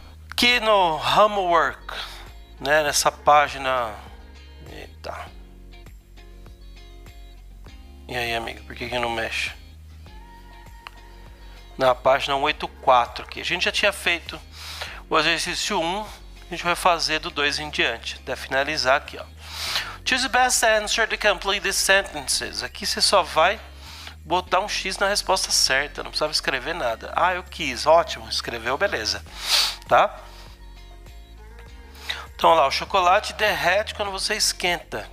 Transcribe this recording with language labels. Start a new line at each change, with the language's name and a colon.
Portuguese: Aqui no Homework, né? Nessa página. Eita. E aí, amiga, por que que não mexe? Na página 184 aqui. A gente já tinha feito o exercício 1, a gente vai fazer do 2 em diante. Até finalizar aqui, ó.
English: Choose the best answer to complete these sentences.
Portuguese: Aqui você só vai botar um X na resposta certa, não precisava escrever nada. Ah, eu quis. Ótimo, escreveu, beleza. Tá? Então, olha lá, o chocolate derrete quando você esquenta.